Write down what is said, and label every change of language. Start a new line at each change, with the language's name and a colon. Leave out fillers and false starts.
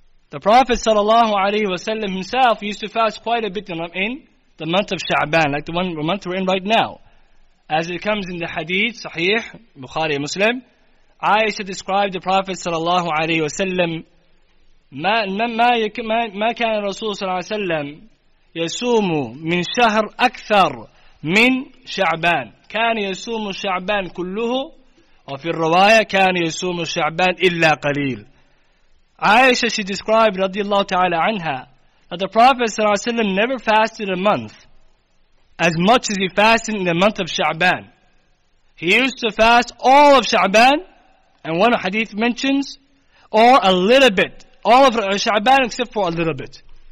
English: The Prophet sallallahu alaihi wasallam himself used to fast quite a bit in the month of Sha'ban, like the month we're in right now. As it comes in the hadith, Sahih, Bukhari and Muslim, Aisha described the Prophet sallallahu alaihi wasallam,
Arabic: ما كان الرسول صلى الله عليه وسلم يسوم من شهر أكثر من شعبان كان يصوم شعبان كله وفي الرواية كان يصوم شعبان إلا قليل.
English: Aisha, she described radiallahu ta'ala anha, that the Prophet sallallahu alayhi wa sallam never fasted a month as much as he fasted in the month of Sha'ban. He used to fast all of Sha'ban, and one hadith mentions, or a little bit, all of Sha'ban except for a little bit.